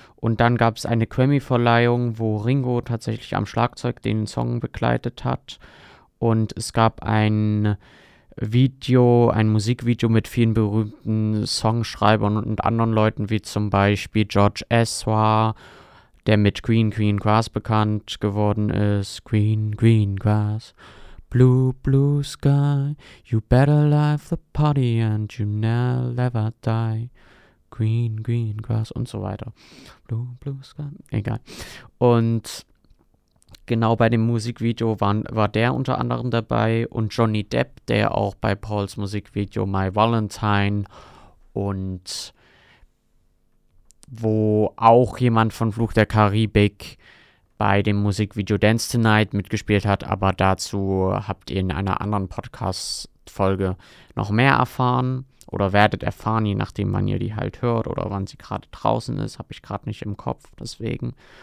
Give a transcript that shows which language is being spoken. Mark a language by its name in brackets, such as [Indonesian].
[German] Und dann gab es eine Grammy-Verleihung, wo Ringo tatsächlich am Schlagzeug den Song begleitet hat. Und es gab ein Musikvideo mit vielen berühmten Songschreibern und anderen Leuten, wie zum Beispiel George Ezra, der mit Green Green Grass bekannt geworden ist. [English] Green Green Grass. Blue, blue sky, you better leave the party and you never ever die. Green, green grass [German] und so weiter. [English] Blue, blue sky, [German] egal. Und genau bei dem Musikvideo war der unter anderem dabei und Johnny Depp, der auch bei Pauls Musikvideo My Valentine und wo auch jemand von Fluch der Karibik bei dem Musikvideo Dance Tonight mitgespielt hat, aber dazu habt ihr in einer anderen Podcast-Folge noch mehr erfahren oder werdet erfahren, je nachdem, wann ihr die halt hört oder wann sie gerade draußen ist, habe ich gerade nicht im Kopf, deswegen.